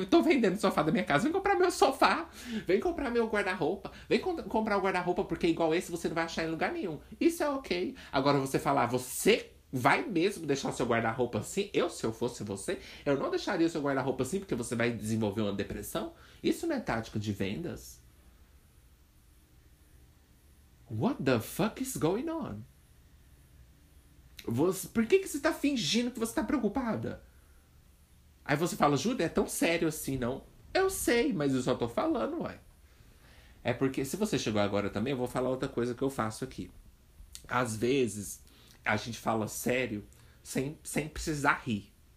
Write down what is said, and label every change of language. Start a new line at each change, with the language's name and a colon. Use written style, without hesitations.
Portuguese: Tô vendendo sofá da minha casa, vem comprar meu sofá, vem comprar meu guarda-roupa, vem comprar o guarda-roupa, porque igual esse você não vai achar em lugar nenhum. Isso é ok. Agora você falar, você vai mesmo deixar seu guarda-roupa assim? Eu, se eu fosse você, eu não deixaria seu guarda-roupa assim, porque você vai desenvolver uma depressão? Isso não é tática de vendas?
English: What the fuck is going on?
Portuguese: Por que que você tá fingindo que você tá preocupada? Aí você fala, Júlia, é tão sério assim, não? Eu sei, mas eu só tô falando, uai. É porque, se você chegou agora também, eu vou falar outra coisa que eu faço aqui. Às vezes, a gente fala sério sem precisar rir.